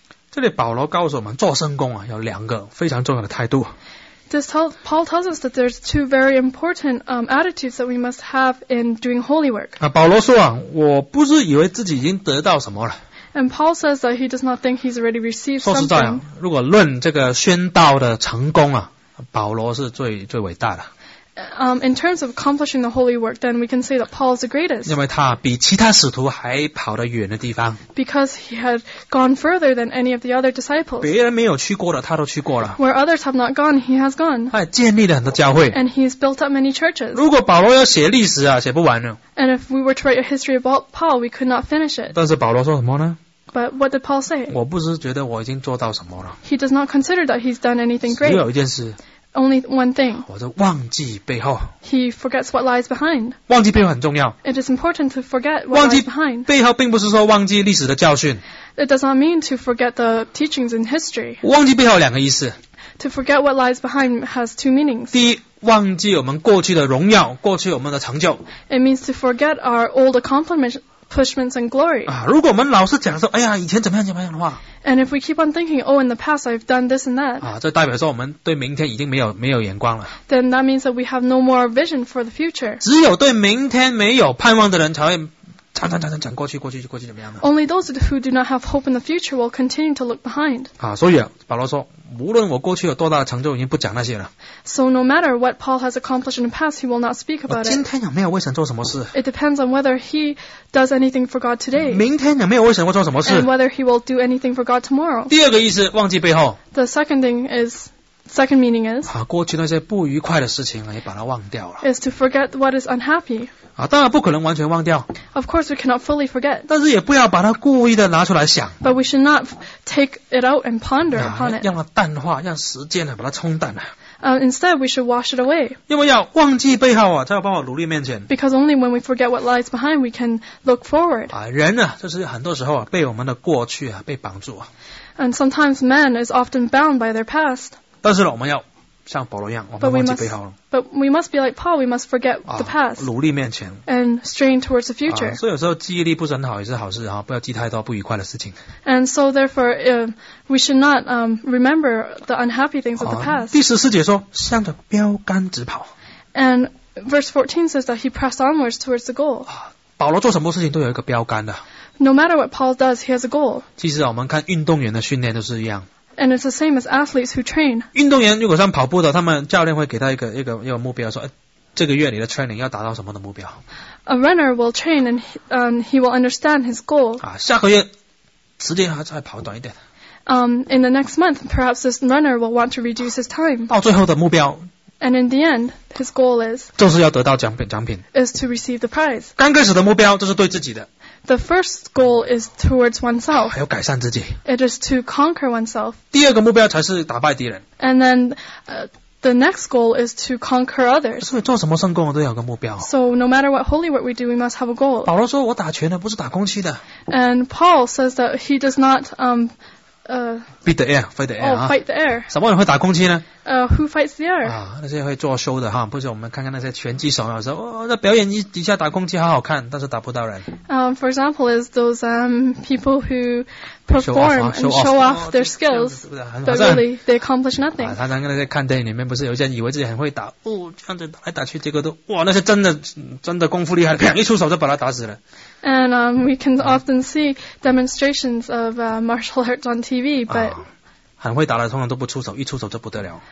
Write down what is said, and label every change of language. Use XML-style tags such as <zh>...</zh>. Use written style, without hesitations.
<zh>这里保罗告诉我们做圣工啊，有两个非常重要的态度。</zh> <en>Paul tells us that there's two very important attitudes that we must have in doing holy work.</en> <zh>啊，保罗说啊，我不是以为自己已经得到什么了。</zh> <en>And Paul says that he does not think he's already received something.</en> <zh>说实在啊，如果论这个宣道的成功啊，保罗是最伟大的。</zh> <en>In terms of accomplishing the holy work, then we can say that Paul is the greatest.</en> <zh>因为他比其他使徒还跑得远的地方。</zh> <en>Because he had gone further than any of the other disciples.</en> <zh>别人没有去过的，他都去过了。</zh> <en>Where others have not gone, he has gone.</en> <zh>他也建立了很多教会。</zh> <en>And he has built up many churches.</en> <zh>如果保罗要写历史啊，写不完呢。</zh> <en>And if we were to write a history about Paul, we could not finish it.</en> <zh>但是保罗说什么呢？</zh> <en>But what did Paul say?</en> <zh>我不是觉得我已经做到什么了。</zh> <en>He does not consider that he's done anything great.</en> <zh>只有一件事。</zh> <en>Only one thing.</en> <zh>我就忘记背后。</zh> <en>He forgets what lies behind.</en> <zh>忘记背后很重要。</zh> <en>It is important to forget what lies behind.</en> <zh>背后并不是说忘记历史的教训。</zh> <en>It does not mean to forget the teachings in history.</en> <zh>忘记背后有两个意思。</zh> <en>To forget what lies behind has two meanings.</en> <zh>第一，忘记我们过去的荣耀，过去我们的成就。</zh> <en>It means to forget our old accomplishments. Pushments and glory.</en> <zh>啊，如果我们老是讲说，哎呀，以前怎么样怎么样的话。</zh> <en>And if we keep on thinking, oh, in the past I've done this and that.</en> <zh>啊，这代表说我们对明天已经没有眼光了。</zh> <en>Then that means that we have no more vision for the future.</en> <zh>只有对明天没有盼望的人才会讲过去怎么样呢</zh> <en>？Only those who do not have hope in the future will continue to look behind.</en> <zh>啊，所以保罗说，无论我过去有多大的成就，已经不讲那些了。</zh> <en>So no matter what Paul has accomplished in the past, he will not speak about it.</en> <zh>今天有没有为神做什么事</zh> <en>？It depends on whether he does anything for God today.</en> <zh>明天有没有为神会做什么事</zh> <en>？And whether he will do anything for God tomorrow.</en> <zh>第二个意思，忘记背后。</zh> <en>The second thing is. Second meaning is</en> <zh>啊，过去那些不愉快的事情也把它忘掉了。</zh> <en>Is to forget what is unhappy.</en> <zh>啊，当然不可能完全忘掉。</zh> <en>Of course, we cannot fully forget.</en> <zh>但是也不要把它故意的拿出来想。</zh> <en>But we should not take it out and ponder upon it.</en> <zh>让它淡化，让时间呢把它冲淡了。</zh> <en>Instead, we should wash it away.</en> <zh>因为要忘记背后啊，才有办法努力面前。</zh> <en>Because only when we forget what lies behind, we can look forward.</en> <zh>啊，人呢、啊，就是很多时候啊，被我们的过去啊，被绑住啊。</zh> <en>And sometimes, man is often bound by their past.</en> <zh>但是呢，我们要像保罗一样，我们忘记背后了。</zh> <en>But we must be like Paul. We must forget the past.</en> <zh>努力面前。</zh> <en>And strain towards the future.</en> <zh>所以有时候记忆力不是很好也是好事哈，不要记太多不愉快的事情。</zh> <en>And so therefore, we should not remember the unhappy things of the past.</en> <zh>第十四节说，向着标杆直跑。</zh> <en>And verse 14 says that he pressed onwards towards the goal.</en> <zh>保罗做什么事情都有一个标杆的。</zh> <en>No matter what Paul does, he has a goal.</en> <zh>其实我们看运动员的训练都是一样。</zh> <en>And it's the same as athletes who train.</en> <zh>运动员如果像跑步的，他们教练会给他一个目标，说，这个月你的 training 要达到什么的目标。</zh> <en>A runner will train and he will understand his goal.</en> <zh>下个月时间还再跑短一点。</zh> <en>In the next month, perhaps this runner will want to reduce his time.</en> <zh>到最后的目标。</zh> <en>And in the end, his goal is.</en> <zh>就是要得到奖品。</zh> <en>Is to receive the prize.</en> <zh>刚开始的目标就是对自己的。</zh> <en>The first goal is towards oneself.</en> <zh>还要改善自己。</zh> <en>It is to conquer oneself.</en> <zh>第二个目标才是打败敌人。</zh> <en>And then, the next goal is to conquer others.</en> <zh>所以做什么圣工都要有个目标。</zh> <en>So no matter what holy work we do, we must have a goal.</en> <zh>保罗说我打拳的不是打空气的。</zh> <en>And Paul says that he does not, beat the air, fight the air. Oh, fight the air.</en> <zh>什么人会打空气呢？</zh> <en>Who fights the air?</en> <zh>那些会做 show 的哈，不是我们看看那些拳击手，有时候那表演一底下打空气好好看，但是打不到人。</zh> <en>For example, is those people who perform show off, and show off their skills, but really they accomplish nothing.</en> <zh>常常那些看电影里面，不是有些人以为自己很会打，哦，这样子打来打去，结果都哇，那些真的功夫厉害，砰一出手就把他打死了。</zh> <en>And we can often see demonstrations of martial arts on TV, but.</en> <zh>很会打的通常都不出手，一出手就不得了。</zh>